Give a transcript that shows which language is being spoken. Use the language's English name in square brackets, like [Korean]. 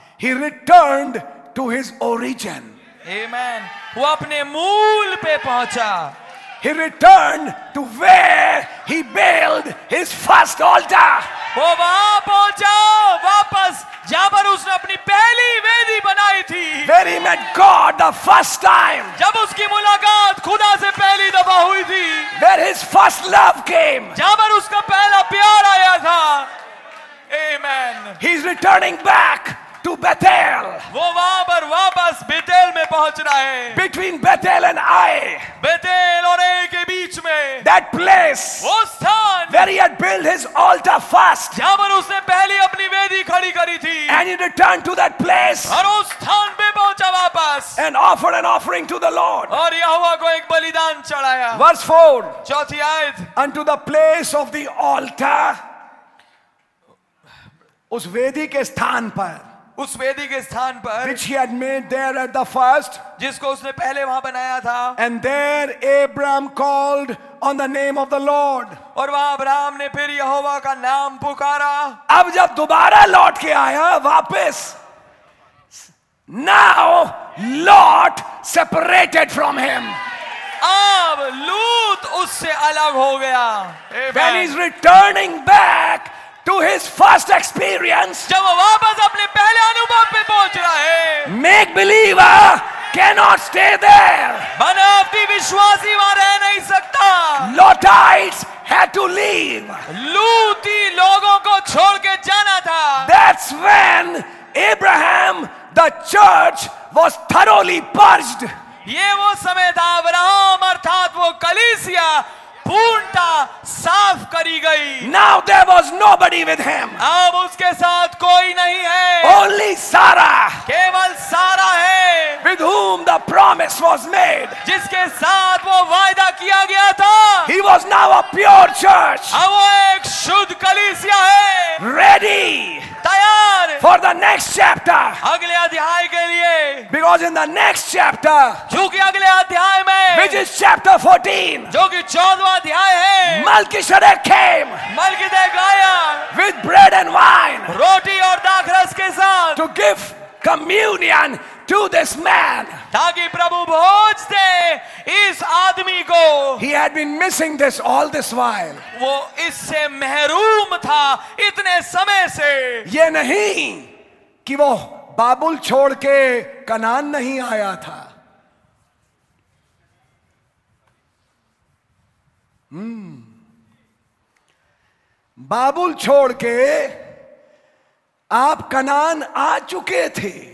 [English] He returned to his origin. [Hindi] आमेन. वो अपने मूल पे पहुंचा. [English] He returned to where he build his first altar. [Hindi] वो वहां पहुंचा वापस जहां पर उसने अपनी पहली वेदी बनाई थी. [English] Where he met God the first time. [Hindi] जब उसकी मुलाकात खुदा से पहली दफा हुई थी. [English] Where his first love came. [Hindi] जहां पर उसका पहला प्यार आया था. [English] Amen. He's returning back to Bethel. [Hindi] वो वहां पर वापस बेतेल में पहुंच रहा है. [English] Between Bethel and Ai. [Hindi] Bethel और Ai के बीच में. [English] That place. [Hindi] वो स्थान. [English] Where he had built his altar first. [Hindi] जहां पर उसने पहली अपनी वेदी खड़ी करी थी. [English] And he returned to that place. [Hindi] और उस स्थान पे पहुंचा वापस. [English] And offered an offering to the Lord. [Hindi] और यहोवा को एक बलिदान चढ़ाया. [English] Verse 4. [Hindi] चौथी आयत. [English] Unto the place of the altar. [Hindi] उस वेदी के स्थान पर. उस वेदी के स्थान पर. [English] Which he had made there at the first. [Hindi] जिसको उसने पहले वहां बनाया था. [English] And there Abraham called on the name of the Lord. [Hindi] और वहां अब्राहम ने फिर यहोवा का नाम पुकारा. अब जब दोबारा लौट के आया वापस. [English] Now Lot separated from him. [Hindi] अब लूत उससे अलग हो गया. [English] When he's returning back to his first experience. [Hindi] जब वो वापस अपने पहले अनुभव पे पहुंच रहा है. [English] Make believer cannot stay there. [Hindi] बनावटी विश्वासी वहां रह नहीं सकता. [English] Lotites had to leave. [Hindi] लूती लोगों को छोड़ के जाना था. [English] That's when Abraham, the church, was thoroughly purged. [Hindi] ये वो समय था अब्राहम अर्थात वो कलीसिया बूंटा साफ करी गई. [English] Now there was nobody with him. [Hindi] अब उसके साथ कोई नहीं है. [English] Only Sarah. [Hindi] केवल सारा है. [English] With whom the promise was made. [Hindi] जिसके साथ वो वायदा किया गया था. [English] He was now a pure church. [Hindi] अब वो एक शुद्ध कलीसिया है. [English] Ready. [Hindi] तैयार. [English] For the next chapter. [Hindi] अगले अध्याय के लिए. [English] Because in the next chapter. [Hindi] क्योंकि अगले अध्याय में. [English] Which is chapter 14. [Hindi] जो कि 14वां अध्याय है. [English] Melchizedek came. [Hindi] मलकीसेदेक आया. [English] With bread and wine. [Hindi] रोटी और दाखरस के साथ. [English] To give communion to this man. [Hindi] ताकि प्रभु भोज दे इस आदमी को. [English] He had been missing this all this while. [Hindi] वो इससे महरूम था इतने समय से. ये नहीं कि वो बाबुल छोड़ के कनान नहीं आया था. बाबुल छोड़ के आप कनान आ चुके थे.